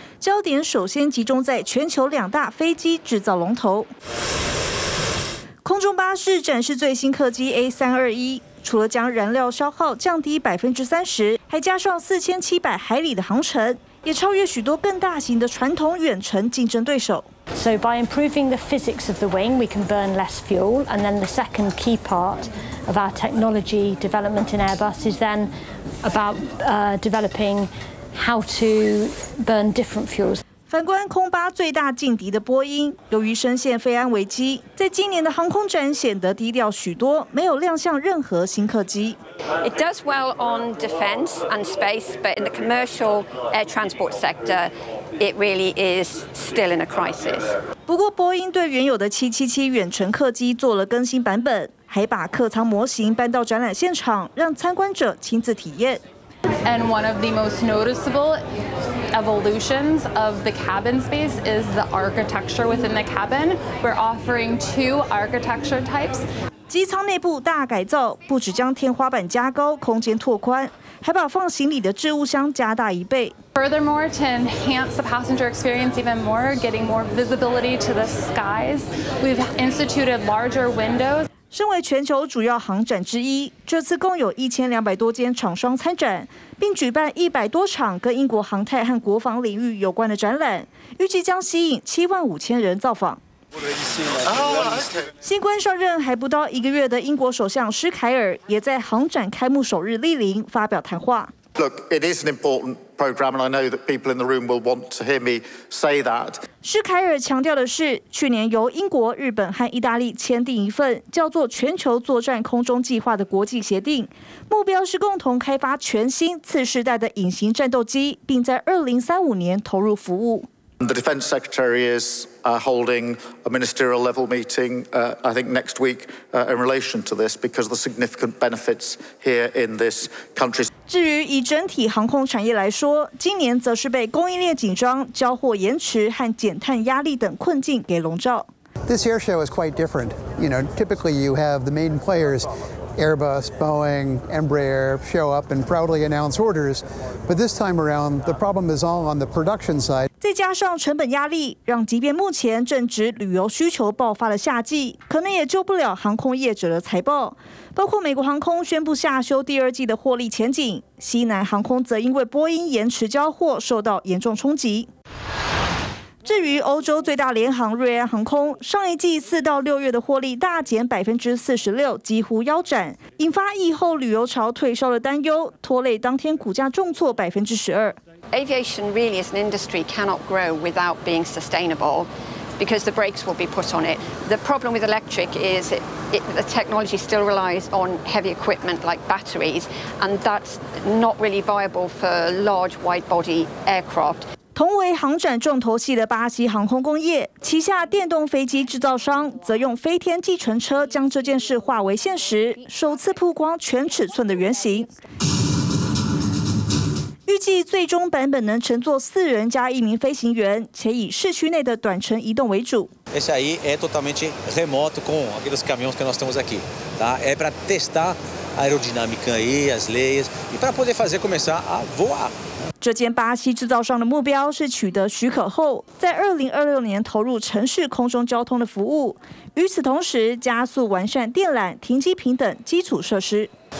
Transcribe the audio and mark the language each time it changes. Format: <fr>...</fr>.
<zh>焦点首先集中在全球两大飞机制造龙头。空中巴士展示最新客机 A321，除了将燃料消耗降低30%，还加上4700海里的航程，也超越许多更大型的传统远程竞争对手。</zh> <en>So So by improving the physics of the wing, we can burn less fuel. And then the second key part of our technology development in Airbus is then about developing how to burn different fuels.</en> <zh>反观空巴最大劲敌的波音，由于深陷飞安危机，在今年的航空展显得低调许多，没有亮相任何新客机。</zh> <en>It does well on defense and space, but in the commercial air transport sector, it really is still in a crisis.</en> <zh>不过，波音对原有的777远程客机做了更新版本，还把客舱模型搬到展览现场，让参观者亲自体验。</zh> <en>And one of the most noticeable evolutions of the cabin space is the architecture within the cabin. We're offering two architecture types.</en> <zh>机舱内部大改造，不只将天花板加高，空间拓宽，还把放行李的置物箱加大一倍。</zh> <en>Furthermore, to enhance the passenger experience even more, getting more visibility to the skies, we've instituted larger windows.</en> <zh>身为全球主要航展之一，这次共有1200多间厂商参展，并举办100多场跟英国航太和国防领域有关的展览，预计将吸引75000人造访。新官上任还不到一个月的英国首相施凯尔也在航展开幕首日莅临发表谈话。</zh> <en>Look, it is an important program, and I know that people in the room will want to hear me say that.</en> <zh>施凯尔强调的是，去年由英国、日本和意大利签订一份叫做《全球作战空中计划》的国际协定，目标是共同开发全新次世代的隐形战斗机，并在2035年投入服务。</zh> <en>The Defence Secretary is holding a ministerial level meeting, I think next week, in relation to this, because of the significant benefits here in this country.</en> <zh>至于以整体航空产业来说，今年则是被供应链紧张、交货延迟和减碳压力等困境给笼罩。</zh> <en>This air show is quite different. You know, typically you have the main players. Airbus, Boeing, Embraer show up and proudly announce orders, but this time around, the problem is all on the production side.</en> <zh>再加上成本压力，让即便目前正值旅游需求爆发的夏季，可能也救不了航空业者的财报。包括美国航空宣布下修第二季的获利前景，西南航空则因为波音延迟交货受到严重冲击。至于欧洲最大联航瑞安航空，上一季4到6月的获利大减46%，几乎腰斩，引发疫后旅游潮退烧的担忧，拖累当天股价重挫12%。</zh> <en>Aviation really as an industry cannot grow without being sustainable, because the brakes will be put on it. The problem with electric is the technology still relies on heavy equipment like batteries, and that's not really viable for large wide-body aircraft.</en> <zh>同为航展重头戏的巴西航空工业，旗下电动飞机制造商则用飞天计程车将这件事化为现实，首次曝光全尺寸的原型。预计最终版本能乘坐4人加1名飞行员，且以市区内的短程移动为主。</zh> <pt>Esse aí é totalmente remoto com aqueles caminhões que nós temos aqui, tá? É para testar a aerodinâmica aí, as leis e para poder fazer começar a voar.</pt> <zh>这间巴西制造商的目标是取得许可后，在2026年投入城市空中交通的服务。与此同时，加速完善电缆、停机坪等基础设施。</zh>